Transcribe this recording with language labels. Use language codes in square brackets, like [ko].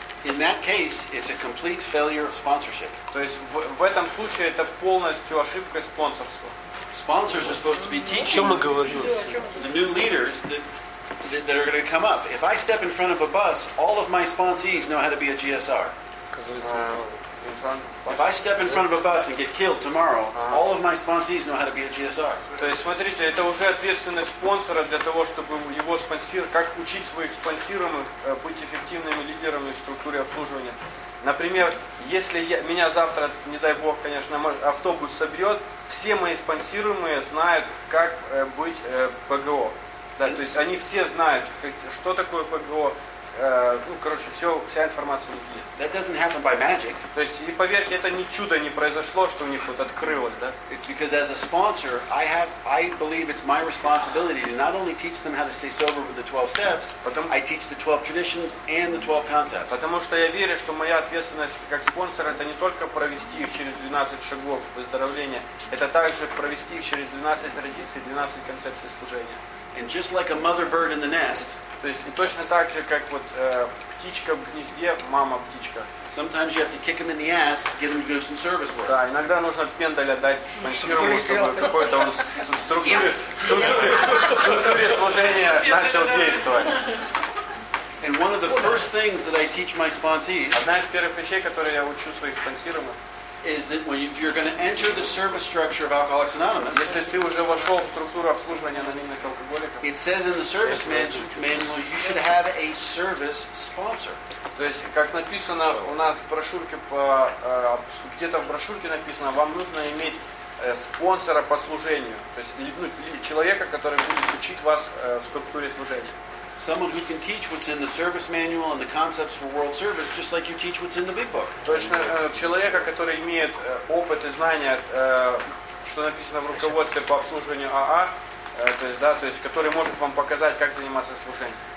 [en] In that case, it's a complete failure of sponsorship. [ru] То есть в этом случае это полностью ошибка спонсорства. [en] Sponsors are supposed to be teaching the new leaders that are going to come up. If I step in front of a bus, all of my sponsees know how to be a GSR. If I step in front of a bus and get killed tomorrow, all of my sponsees know how to be a GSR. [ru] То есть смотрите, это уже ответственность спонсора для того, чтобы его спонсир, как учить своих спонсируемых быть эффективными лидерами в структуре обслуживания. Например, если меня завтра, не дай бог, конечно, автобус собьет, все мои спонсируемые знают, как быть ПГО. Да, то есть они все знают, что такое ПГО. Ну, короче, все, вся информация у них есть. [en] That doesn't happen by magic. [ru] То есть, и поверьте, это ни чудо не произошло, что у них вот открылось, да? [en] It's because as a sponsor, I believe it's my responsibility to not only teach them how to stay sober with the 12 steps, I teach the 12 traditions and the 12 concepts. [ru] Потому что я верю, что моя ответственность как спонсор это не только провести их через 12 шагов выздоровления, это также провести их через 12 традиций, 12 концепций служения. [en] And just like a mother bird in the nest. [ru] То есть точно так же, как вот птичка в гнезде, мама птичка. [en] Sometimes you have to kick him in the ass, get him to do some service work. [ru] Да, иногда нужно пендаля дать спонсировать, чтобы какой-то он структуре служения начал действовать. [en] And one of the first things that I teach my sponsees. [ru] Одна из первых вещей, которые я учу своих спонсируемых. [en] Is that when if you're going to enter the service structure of Alcoholics Anonymous? [ru] Если ты уже вошел в структуру обслуживания анонимных алкоголиков. [en] It says in the service manual you should have a service sponsor. [ru] То есть как написано у нас в брошюрке по где-то в брошюрке написано вам нужно иметь спонсора по служению, то есть ну, человека, который будет учить вас в структуре служения. [en] Someone who can teach what's in the service manual and the concepts for world service, just like you teach what's in the big book. [ru] Точно человека, который имеет опыт и знания, что написано в руководстве по обслуживанию АА, то есть да, то есть который может вам показать, как заниматься служением.